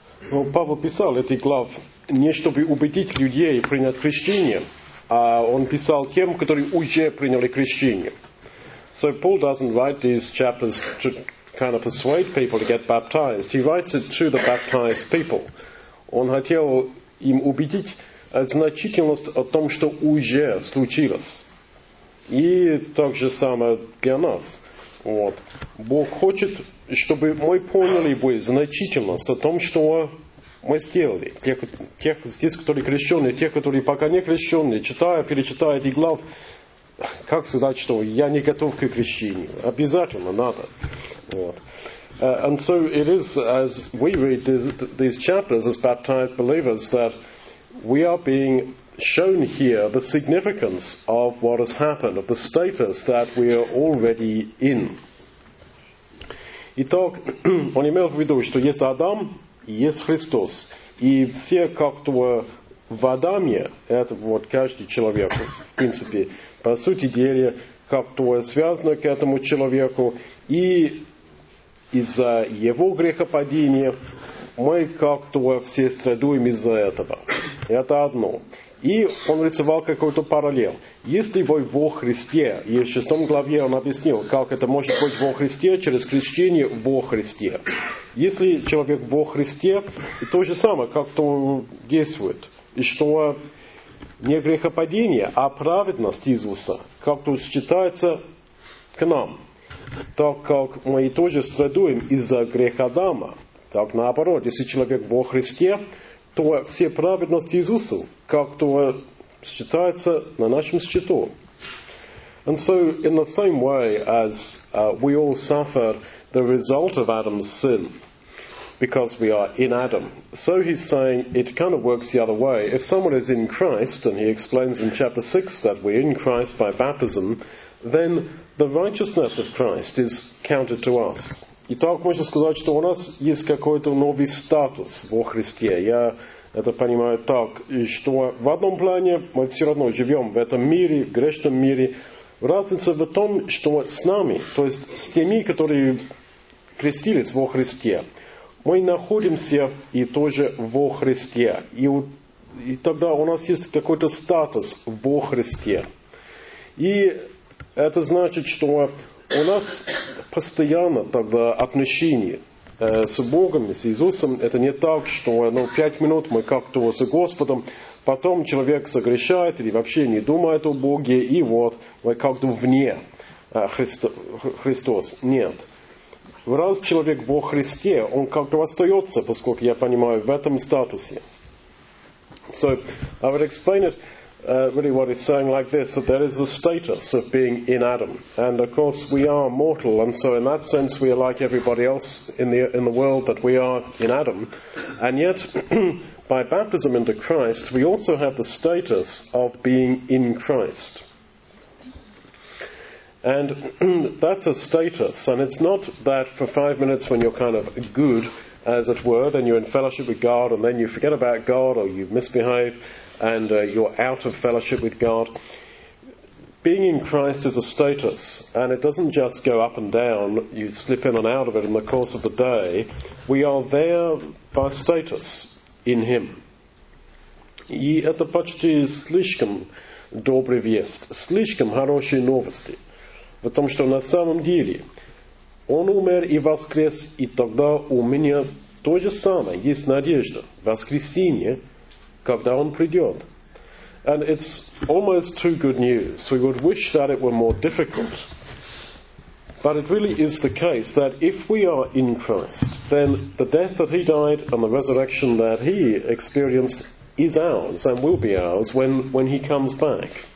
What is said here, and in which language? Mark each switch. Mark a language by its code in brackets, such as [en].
[ru] Ну, Павел писал эти главы не чтобы убедить людей принять крещение, а он писал тем, которые уже приняли крещение. [en] So Paul doesn't write these chapters to kind of persuade people to get baptized. He writes it to the baptized people. [ru] Он хотел им убедить значительность о том, что уже случилось. И так же самое для нас. Вот. Бог хочет, чтобы мы поняли бы значительность о том, что мы сделали. Тех здесь, которые крещенные, тех, которые пока не крещенные, читая, перечитая эти главы, как сказать, что я не готов к крещению? Обязательно надо. Вот. [en] And so it is, as we read these chapters as baptized believers, that we are being shown here the significance of what has happened, of the status that we are already in. [ru] Итак, он имел в виду, что есть Адам, есть Христос, и все как-то в Адаме, это вот каждый человек, в принципе, по сути дела, как-то связано к этому человеку, и из-за его грехопадения мы как-то все страдуем из-за этого. Это одно. И он рисовал какой-то параллель. Если вы во Христе, и в 6 главе он объяснил, как это может быть во Христе, через крещение во Христе. Если человек во Христе, то же самое как-то действует. И что не грехопадение, а праведность Иисуса как-то считается к нам. Так как мы тоже страдуем из-за греха Адама. Так наоборот, если человек во Христе, то все праведности Иисуса как-то считаются на нашем счету. [en] And so, in the same way as we all suffer the result of Adam's sin, because we are in Adam. So he's saying it kind of works the other way. If someone is in Christ, and he explains in chapter 6 that we're in Christ by baptism, then the righteousness of Christ is counted to us. [ru] Итак, можно сказать, что у нас есть какой-то новый статус во Христе. Я это понимаю так, что в одном плане мы все равно живем в этом мире, в грешном мире. Разница в том, что с нами, то есть с теми, которые крестились во Христе, мы находимся и тоже во Христе. И тогда у нас есть какой-то статус во Христе. И это значит, что у нас постоянно тогда отношения с Богом, с Иисусом. Это не так, что ну, 5 минут мы как-то с Господом, потом человек согрешает или вообще не думает о Боге, и вот мы как-то вне Христос. Нет. Раз человек во Христе, он как-то остается, поскольку я понимаю, в этом статусе. [en] So, I would explain it. Really what he's saying like this, that there is the status of being in Adam. And of course we are mortal, and so in that sense we are like everybody else in the world, that we are in Adam. And yet, by baptism into Christ, we also have the status of being in Christ. And that's a status, and it's not that for 5 minutes when you're kind of good, as it were, then you're in fellowship with God, and then you forget about God, or you misbehave, and you're out of fellowship with God. Being in Christ is a status, and it doesn't just go up and down. You slip in and out of it in the course of the day. We are there by status in Him. [ru] И это почти слишком добрая весть, слишком хорошие новости, потому что на самом деле Он умер и воскрес, и тогда у меня то же самое, есть надежда, воскресение, когда Он придет. [en] And it's almost too good news. We would wish that it were more difficult. But it really is the case that if we are in Christ, then the death that He died and the resurrection that He experienced is ours and will be ours when He comes back.